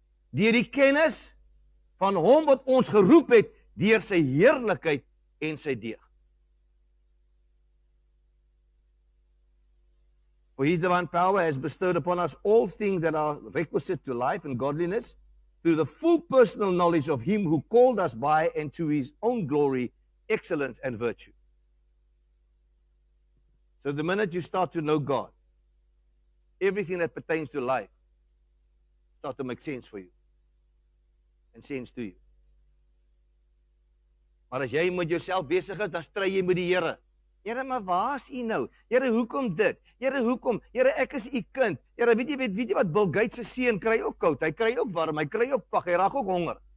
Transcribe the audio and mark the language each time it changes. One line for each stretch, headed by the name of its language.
Afrikaans: Deur die kennis van hom wat ons geroep het, deur sy heerlikheid en sy deeg.
English: For his divine power has bestowed upon us all things that are requisite to life and godliness, through the full personal knowledge of him who called us by and to his own glory, excellence and virtue. So the minute you start to know God, everything that pertains to life start to make sense for you and sense to you.
Afrikaans: Maar as jy met jouself besig is, dan stry jy met die Here. Here, maar waar is jy nou? Here, hoekom dit? Here, hoekom? Here, ek is jy kind. Here, weet jy wat Bill Gates se seun kry ook koud, hy kry ook warm, hy kry ook pak, hy raak ook honger.